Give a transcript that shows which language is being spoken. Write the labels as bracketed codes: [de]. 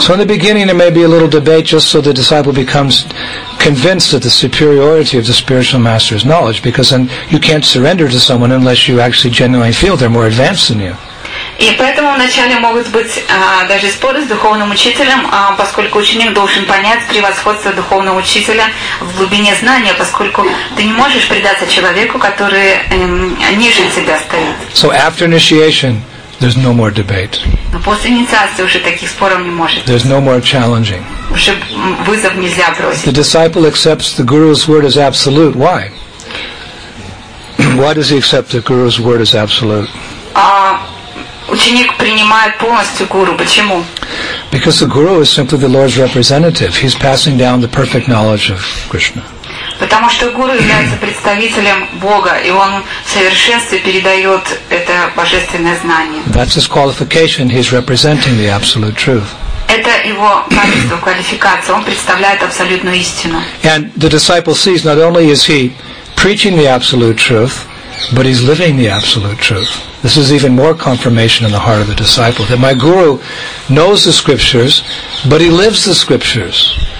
[en] So in the beginning there may be a little debate, just so the disciple becomes convinced of the superiority of the spiritual master's knowledge, because then you can't surrender to someone unless you actually genuinely feel they're more advanced than you. [ru] И поэтому вначале могут быть даже споры с духовным учителем, поскольку ученик должен понять превосходство духовного учителя в глубине знания, поскольку ты не можешь предаться человеку, который ниже тебя стоит. [en] So after initiation, there's no more debate. [ru] Но после инициации уже таких споров не может быть. [en] There's no more challenging. [ru] Уже вызов нельзя бросить. [en] The disciple accepts the guru's word as absolute. Why? Why does he accept the guru's word as absolute? [ru] Ученик принимает полностью гуру. Почему? [en] Because the guru is simply the Lord's representative. He's passing down the perfect knowledge of Krishna. [ru] Потому что гуру является представителем Бога, и он в совершенстве передает это божественное знание. [en] That's his qualification. He's representing the absolute truth. [ru] Это его качество, квалификация. Он представляет абсолютную истину. [en] And the disciple sees, not only is he preaching the absolute truth, but he's living the absolute truth. This is even more confirmation in the heart of the disciple that my guru knows the scriptures, but he lives the scriptures.